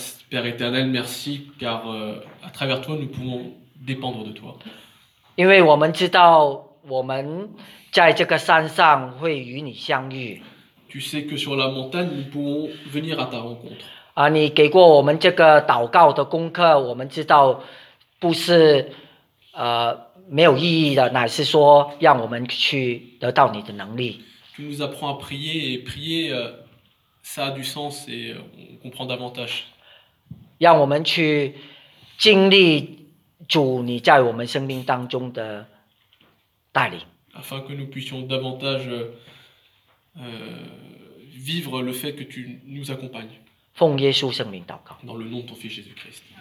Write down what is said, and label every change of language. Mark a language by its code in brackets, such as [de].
[fr] Père éternel, merci, car à travers toi, nous pouvons dépendre de toi. [zh] 因为我们知道，我们在这个山上会与你相遇。 [fr] Tu sais que sur la montagne, nous pouvons venir à ta rencontre. [zh] 啊，你给过我们这个祷告的功课，我们知道不是。没有意义的，乃是说让我们去得到你的能力。 [fr] Tu nous apprends à prier et prier, ça a du sens et on comprend davantage. [zh] 让我们去经历主你在我们生命当中的带领。 [fr] Afin que nous puissions davantage vivre le fait que tu nous accompagnes. [zh] 奉耶稣圣名祷告。 [fr] Dans le nom de ton Fils Jésus-Christ.